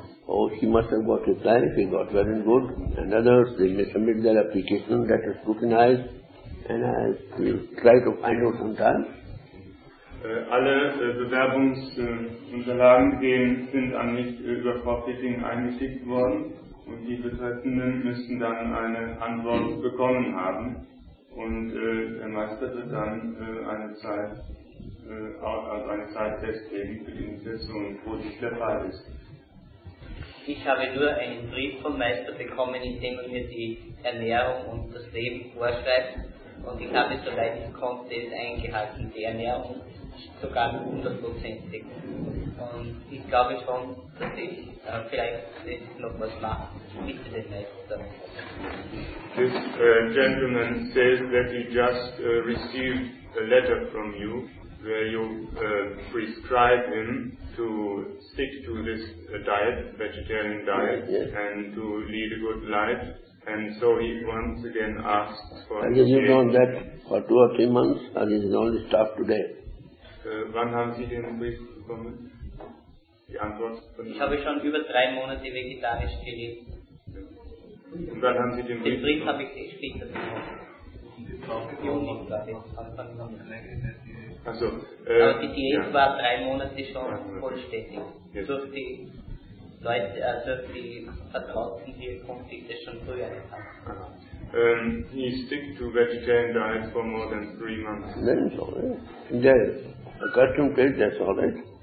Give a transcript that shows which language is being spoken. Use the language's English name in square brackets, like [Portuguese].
[English] Oh, she must have got reply, she got well and good, and others, they may submit their application, that is scrutinized, and I will try to find out sometime. [German] Alle Bewerbungsunterlagen sind an mich über Frau Fitting eingeschickt worden, und die Betreffenden müssen dann eine Antwort bekommen haben, und der Meister wird dann eine Zeit festlegen für die Initiation, wo dies der Fall ist. Ich habe nur einen Brief vom Meister bekommen, in dem er mir die Ernährung und das Leben vorschreibt Und ich habe, soweit ich konnte, es eingehalten, die Ernährung sogar 100%. Und ich glaube schon, dass ich vielleicht noch was mache mit dem Meister. [English] This gentleman says that he just received a letter from you, where you prescribe him to stick to this diet, vegetarian diet, yes. And to lead a good life. And so he once again asks for... And has he done that for 2 or 3 months, or is it only stopped today? [German] Wann haben Sie den Brief bekommen? Die Antwort von Ihnen? Ich habe schon über 3 Monate vegetarisch gelebt. Und wann haben Sie den Brief bekommen? Den Brief habe ich später bekommen. Juni, glaube ich, Anfang November. Also, die Diät ja. War 3 Monate schon vollständig. [English] Yes. [German] Durch die Leute, also die Vertrauten hier, konnte ich das schon früher erfahren. [English] He stick to vegetarian diet for more than 3 months. Then it's all right. In there, accustomed to it, that's all right.